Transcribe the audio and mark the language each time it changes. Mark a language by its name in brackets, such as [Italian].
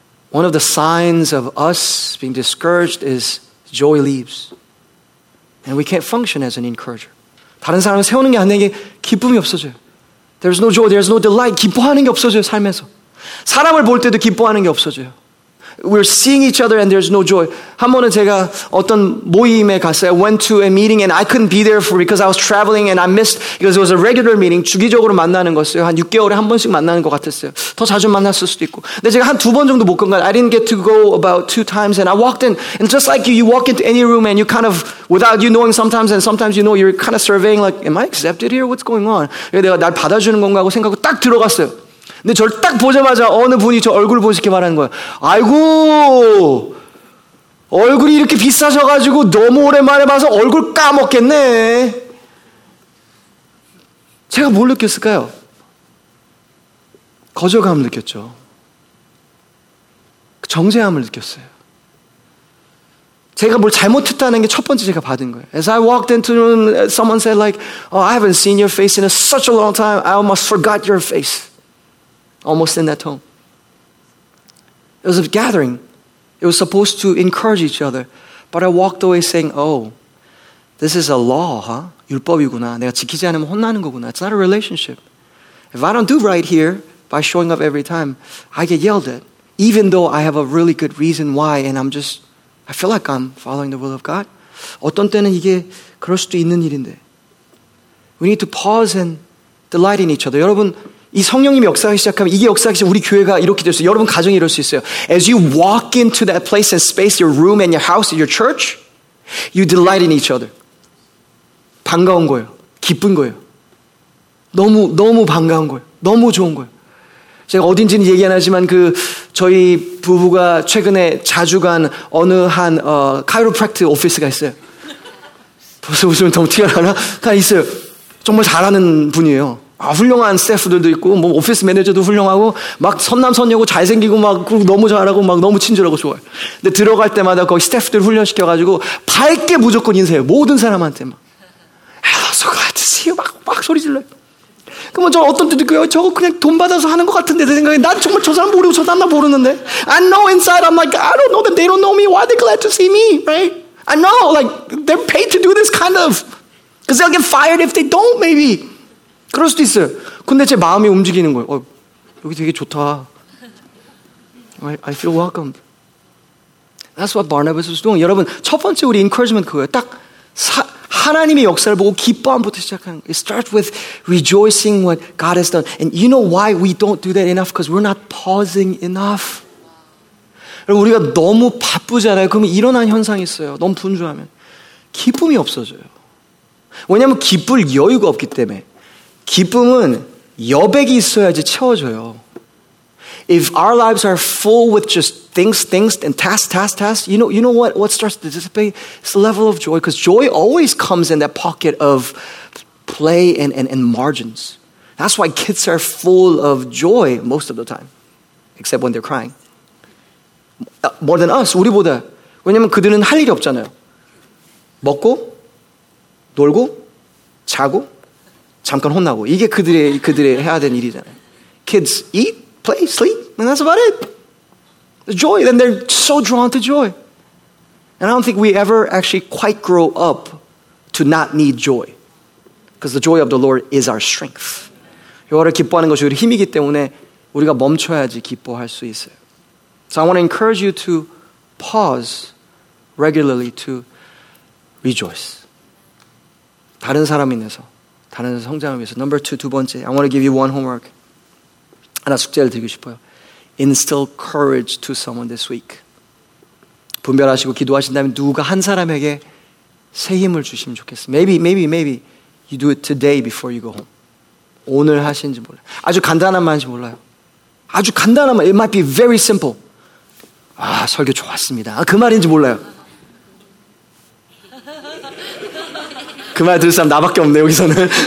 [English] One of the signs of us being discouraged is joy leaves. And we can't function as an encourager. [Korean] 다른 사람을 세우는 게 안 되는 게 기쁨이 없어져요. [English] There's no joy, there's no delight. [Korean] 기뻐하는 게 없어져요, 삶에서. 사람을 볼 때도 기뻐하는 게 없어져요. [English] We're seeing each other and there's no joy. [Korean] 한 번은 제가 어떤 모임에 갔어요. [English] I went to a meeting and I couldn't be there because I was traveling and I missed because it was a regular meeting. [Korean] 주기적으로 만나는 거였어요. 한 6개월에 한 번씩 만나는 것 같았어요. 더 자주 만났을 수도 있고. 근데 제가 한 두 번 정도 못 간 거예요. [English] I didn't get to go about two times and I walked in. And just like you walk into any room and you kind of, without you knowing sometimes and sometimes you know, you're kind of surveying like, am I accepted here? What's going on? [Korean] 내가 날 받아주는 건가 하고 생각하고 딱 들어갔어요. 근데 저를 딱 보자마자 어느 분이 저 얼굴을 보시게 말하는 거예요. 아이고, 얼굴이 이렇게 비싸셔가지고 너무 오랜만에 봐서 얼굴 까먹겠네. 제가 뭘 느꼈을까요? 거절감을 느꼈죠. 정죄함을 느꼈어요. 제가 뭘 잘못했다는 게 첫 번째 제가 받은 거예요. [English] As I walked into the room, someone said like, oh, I haven't seen your face in such a long time. I almost forgot your face. Almost in that tone. It was a gathering. It was supposed to encourage each other. But I walked away saying, oh, this is a law, huh? [Korean] 율법이구나. 내가 지키지 않으면 혼나는 거구나. [English] It's not a relationship. If I don't do right here by showing up every time, I get yelled at. Even though I have a really good reason why and I feel like I'm following the will of God. [Korean] 어떤 때는 이게 그럴 수도 있는 일인데. [English] We need to pause and delight in each other. [Korean] 여러분, 이 성령님이 역사하기 시작하면 이게 역사하기 시작하면 우리 교회가 이렇게 될 수 있어요. 여러분 가정이 이럴 수 있어요. [English] As you walk into that place and space, your room and your house, your church, you delight in each other. [Korean] 반가운 거예요. 기쁜 거예요. 너무 너무 반가운 거예요. 너무 좋은 거예요. 제가 어딘지는 얘기 안 하지만 그 저희 부부가 최근에 자주 간 어느 한 카이로프랙트 오피스가 있어요. 벌써 웃으면 너무 티가 나나? 다 있어요. 정말 잘하는 분이에요. 아, 훌륭한 스태프들도 있고, 뭐, 오피스 매니저도 훌륭하고, 막, 선남선녀고, 잘생기고, 막, 너무 잘하고, 막, 너무 친절하고, 좋아요. 근데 들어갈 때마다 거기 스태프들 훈련시켜가지고, 밝게 무조건 인사해요. 모든 사람한테 막. [English] Hello, so glad to see you. [Korean] 막 소리 질러요. 그러면 저 어떤 때도 그래요. 저거 그냥 돈 받아서 하는 것 같은데, 내 생각에. 난 정말 저 사람 모르고, 저 사람 나 모르는데. [English] I know inside. I'm like, I don't know them. They don't know me. Why are they glad to see me? Right? I know. Like, they're paid to do this kind of. Because they'll get fired if they don't, maybe. [Korean] 그럴 수도 있어요. 근데 제 마음이 움직이는 거예요. 여기 되게 좋다. [English] I feel welcome. That's what Barnabas was doing. [Korean] 여러분, 첫 번째 우리 encouragement 그거예요. 딱 하나님의 역사를 보고 기뻐함부터 시작하는 거예요. [English] It starts with rejoicing what God has done. And you know why we don't do that enough? Because we're not pausing enough. [Korean] 여러분, 우리가 너무 바쁘잖아요. 그러면 일어난 현상이 있어요. 너무 분주하면. 기쁨이 없어져요. 왜냐하면 기쁠 여유가 없기 때문에. 기쁨은 여백이 있어야지 채워져요. [English] If our lives are full with just things, and tasks, you know what starts to dissipate? It's the level of joy, because joy always comes in that pocket of play and margins. That's why kids are full of joy most of the time. except when they're crying. More than us, [Korean] 우리보다. 왜냐면 그들은 할 일이 없잖아요. 먹고, 놀고, 자고, 잠깐 혼나고. 이게 그들의 해야 되는 일이잖아요. [English] Kids eat, play, sleep, and that's about it. The joy, then they're so drawn to joy. And I don't think we ever actually quite grow up to not need joy. Because the joy of the Lord is our strength. [Korean] 여호와를 기뻐하는 것이 우리 힘이기 때문에 우리가 멈춰야지 기뻐할 수 있어요. [English] So I want to encourage you to pause regularly to rejoice. [Korean] 다른 사람 인해서, 다른 성장을 위해서. [English] Number two, [Korean] 두 번째. [English] I want to give you one homework. [Korean] 하나 숙제를 드리고 싶어요. [English] Instill courage to someone this week. [Korean] 분별하시고 기도하신다면 누가 한 사람에게 새 힘을 주시면 좋겠어요. [English] Maybe you do it today before you go home. [Korean] 오늘 하신지 몰라요. 아주 간단한 말인지 몰라요. 아주 간단한 말. [English] It might be very simple. [Korean] 아, 설교 좋았습니다. 아, 그 말인지 몰라요. 그 말 들을 사람 나밖에 없네, 여기서는.